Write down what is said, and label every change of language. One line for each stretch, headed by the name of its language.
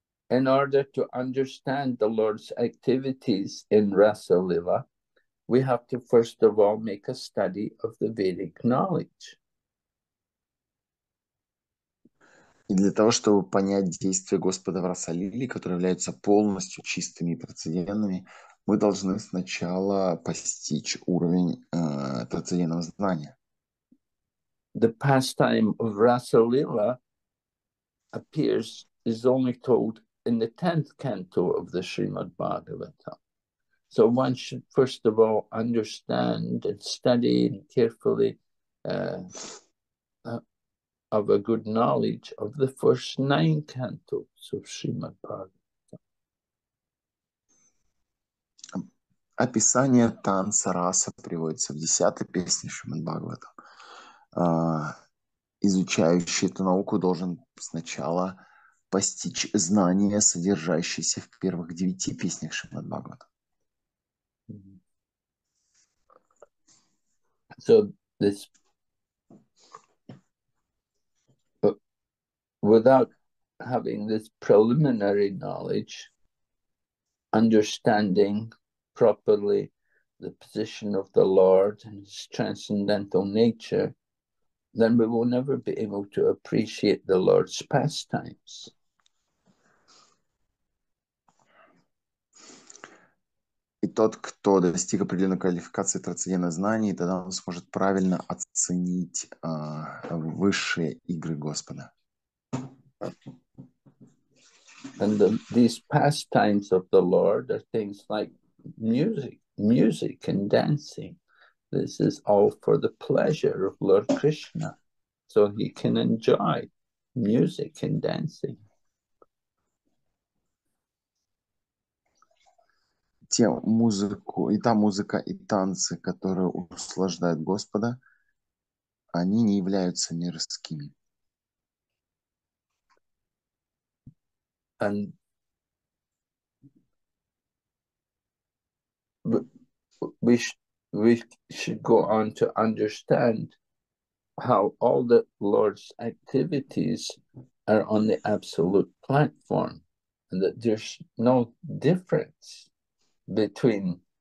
English: In order to understand the Lord's activities in Rasa Lila, we have to first of all make a study of the Vedic knowledge.
Russian: И для того, чтобы понять действия Господа в Расалиле, которые являются полностью чистыми и трансцендентными, мы должны сначала постичь уровень трансцендентного знания.
English: The pastime of Rasa Lila appears is only told in the 10th canto of the Srimad Bhagavatam. So one should first of all understand and study carefully of a good knowledge of the first 9 cantos of Srimad Bhagavatam.
Russian: Описание танца раса приводится в 10-й песне Шримад Бхагавата. Изучающий эту науку должен сначала постичь знания, содержащиеся в первых 9 песнях Шримад Бхагавата.
English: So this, without having this preliminary knowledge, understanding properly the position of the Lord and his transcendental nature, then we will never be able to appreciate the Lord's pastimes.
Russian: И тот, кто достиг определенной квалификации трансцендентных знаний, тогда он сможет правильно оценить высшие игры Господа.
English: And these pastimes of the Lord are things like music and dancing. This is all for the pleasure of Lord Krishna, so he can enjoy music and dancing.
Russian: Те музыку, и та музыка, и танцы, которые услаждают Господа, они не являются мирскими.
English: And we should go on to understand how all the Lord's activities are on the absolute platform, and that there's no difference between